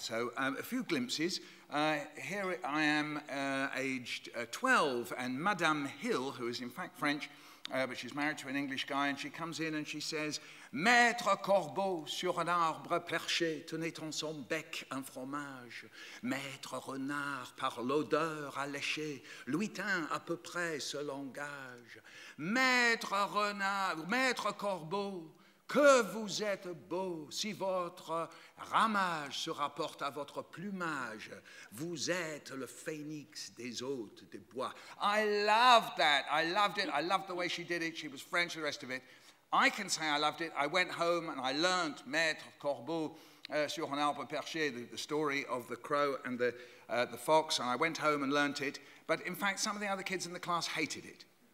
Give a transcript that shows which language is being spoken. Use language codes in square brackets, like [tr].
[en] So a few glimpses. Here I am, aged 12, and Madame Hill, who is in fact French, but she's married to an English guy, and she comes in and she says, [fr] Maître corbeau sur un arbre perché tenait en son bec un fromage. Maître renard par l'odeur alléché lui tint à peu près ce langage. Maître renard, maître corbeau, que vous êtes beau si votre ramage se rapporte à votre plumage. Vous êtes le phénix des hôtes des bois. [en] I loved that. I loved it. I loved the way she did it. She was French, the rest of it. I can say I loved it. I went home and I learnt [fr] Maître Corbeau sur un arbre perché, [en] the story of the crow and the fox, and I went home and learnt it. But in fact, some of the other kids in the class hated it.